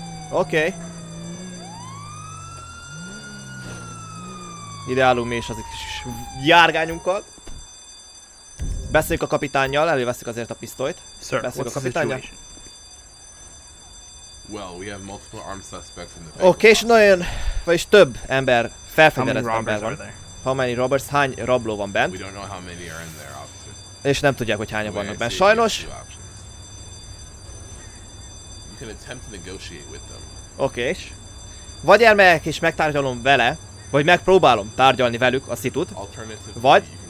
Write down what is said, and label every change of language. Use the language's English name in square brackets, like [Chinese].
[Hungarian] Oké. Ide állunk mi is az kis járgányunkkal. Beszéljük a kapitánnyal, előveszik azért a pisztolyt. Sir, beszéljük a kapitánnyal. [English] Well, we have multiple armed suspects in the bank. [Hungarian] Oké, és nagyon, vagyis több ember, felfedezett ember van. [English] How many robbers? [Hungarian] Hány rabló van bent? [English] We don't know how many are in there, officer. [Hungarian] És nem tudják, hogy hányan vannak bent. Sajnos. [English] You can attempt to negotiate with them. [Hungarian] Oké, és vagy elmegyek és megtárgyalom vele, vagy megpróbálom tárgyalni velük a szitut. Vagy.